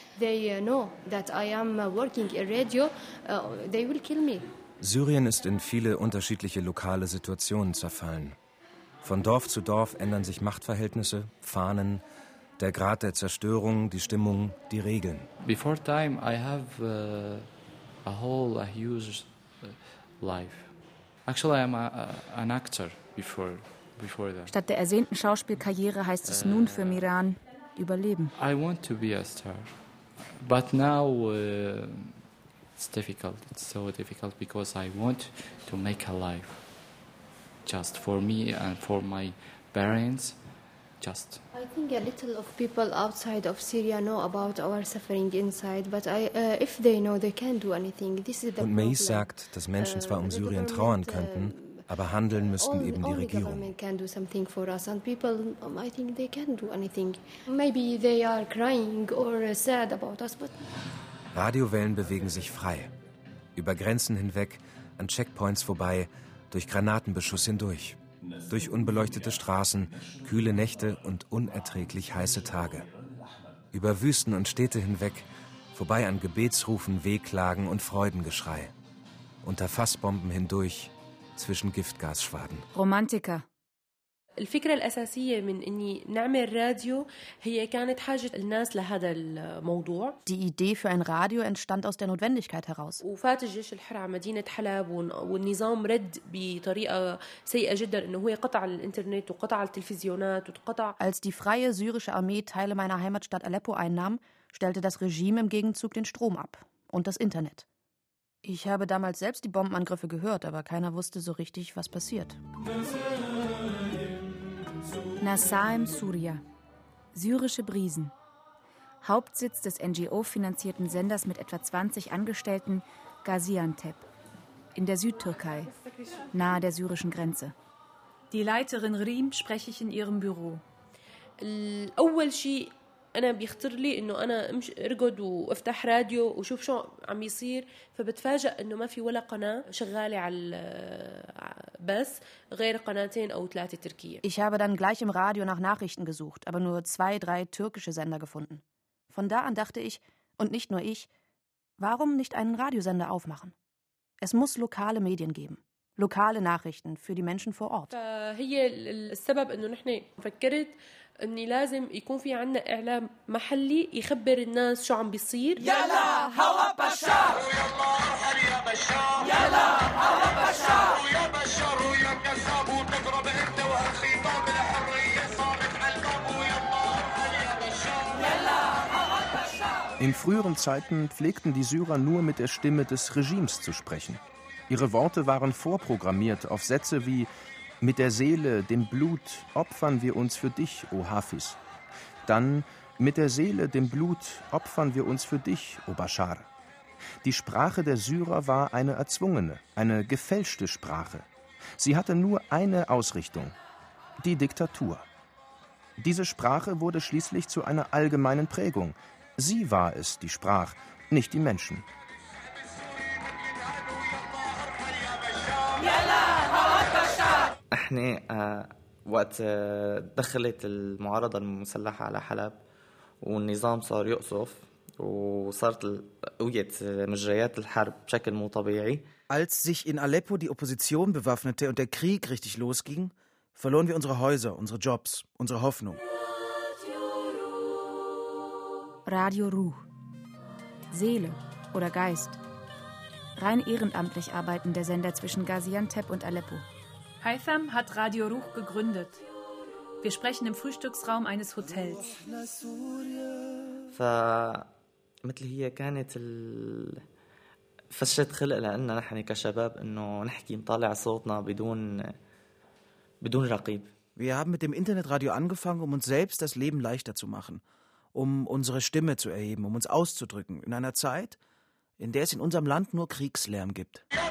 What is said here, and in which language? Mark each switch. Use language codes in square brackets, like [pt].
[en] They know that I am working in radio. They will kill me. [de] Syrien ist in viele unterschiedliche lokale Situationen zerfallen. Von Dorf zu Dorf ändern sich Machtverhältnisse, Fahnen, der Grad der Zerstörung, die Stimmung, die Regeln. [en] Before time, I have a whole, a huge life. Actually, I'm an actor before that. [de] Statt der ersehnten Schauspielkarriere heißt es nun für Miran überleben. [en] I want to be a star, but now it's difficult. It's so difficult because I want to make a life just for me and for my parents. Just. I think a little of people outside of Syria know about our suffering inside, but if they know, they can do anything. This is the [de] Und Mays sagt, dass Menschen zwar um Syrien trauern könnten, aber handeln müssten eben die Regierung. [en] Only government can do something for us, and people, I think they can do anything. Maybe they are crying or sad about us, but. [de] Radiowellen bewegen sich frei, über Grenzen hinweg, an Checkpoints vorbei, durch Granatenbeschuss hindurch. Durch unbeleuchtete Straßen, kühle Nächte und unerträglich heiße Tage. Über Wüsten und Städte hinweg, vorbei an Gebetsrufen, Wehklagen und Freudengeschrei. Unter Fassbomben hindurch, zwischen Giftgasschwaden. Romantiker. [ar] الفكرة الأساسية من إني نعمل راديو هي كانت حاجة الناس لهذا الموضوع. [de] Die Idee für ein Radio entstand aus der Notwendigkeit heraus. [ar] وفات الجيش الحر على مدينة حلب والنظام رد بطريقة سيئة جدا إنه هو قطع الإنترنت وقطع التلفزيونات وقطع. [de] Als die freie syrische Armee Teile meiner Heimatstadt Aleppo einnahm, stellte das Regime im Gegenzug den Strom ab und das Internet. Ich habe damals selbst die Bombenangriffe gehört, aber keiner wusste so richtig, was passiert. Nasaim Surya. Syrische Brisen. Hauptsitz des NGO-finanzierten Senders mit etwa 20 Angestellten, Gaziantep. In der Südtürkei, nahe der syrischen Grenze. Die Leiterin Rim spreche ich in ihrem Büro. [ar] الأول شيء أنا بيخطر لي إنه أنا أرقد وأفتح راديو وشوف شو عم يصير، فبتفاجأ إنه ما في ولا قناة شغالة على بس غير قناتين أو ثلاثة تركية. [de] Ich habe dann gleich im Radio nach Nachrichten gesucht, aber nur zwei, drei türkische Sender gefunden. Von da an dachte ich, und nicht nur ich, warum nicht einen Radiosender aufmachen? Es muss lokale Medien geben. Lokale Nachrichten für die Menschen vor Ort. [ar] فهي السبب إنه نحن فكرت إني لازم يكون في عنا إعلام محلي يخبر الناس شو عم بيصير. يلا هوا بشار يلا هل يا بشار يلا هوا بشار يا بشار يا كذاب وتضرب أنت وأخيك بالحرية صارت على الباب يلا هوا بشار. [de] In früheren Zeiten pflegten die Syrer nur mit der Stimme des Regimes zu sprechen. Ihre Worte waren vorprogrammiert auf Sätze wie »Mit der Seele, dem Blut, opfern wir uns für dich, o Hafiz«. Dann »Mit der Seele, dem Blut, opfern wir uns für dich, o Bashar«. Die Sprache der Syrer war eine erzwungene, eine gefälschte Sprache. Sie hatte nur eine Ausrichtung, die Diktatur. Diese Sprache wurde schließlich zu einer allgemeinen Prägung. Sie war es, die sprach, nicht die Menschen. [ar] احنا وقت دخلت المعارضه المسلحه على حلب والنظام صار يقصف وصارت قويه مجريات الحرب بشكل مو طبيعي. [de] Als sich in Aleppo die Opposition bewaffnete und der Krieg richtig losging, verloren wir unsere Häuser, unsere Jobs, unsere Hoffnung. Radio Ruh. Seele oder Geist. Rein ehrenamtlich arbeiten der Sender zwischen Gaziantep und Aleppo. Haytham hat Radio Ruh gegründet. Wir sprechen im Frühstücksraum eines Hotels. [ar] فمثل هي كانت فشت خلق لنا نحن كشباب انه نحكي نطلع صوتنا بدون رقيب. [de] Wir haben mit dem Internetradio angefangen, um uns selbst das Leben leichter zu machen, um unsere Stimme zu erheben, um uns auszudrücken in einer Zeit, in der es in unserem Land nur Kriegslärm gibt.